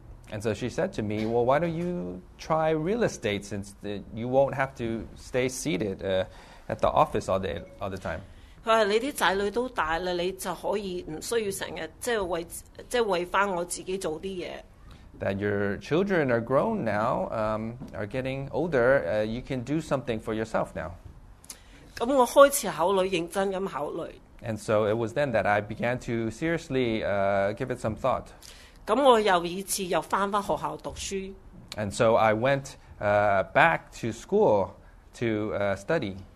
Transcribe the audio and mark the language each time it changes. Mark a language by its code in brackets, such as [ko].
[en] And so she said to me, well, why don't you try real estate since you won't have to stay seated at the office all the time? [yue] 佢話：你啲仔女都大啦，你就可以唔需要成日即係為翻我自己做啲嘢。 [en] That your children are grown now, are getting older, you can do something for yourself now. [yue] 咁我開始考慮，認真咁考慮。 [en] And so it was then that I began to seriously give it some thought. [yue] 咁我又一次又翻返學校讀書。 [en] And so I went back to school to study.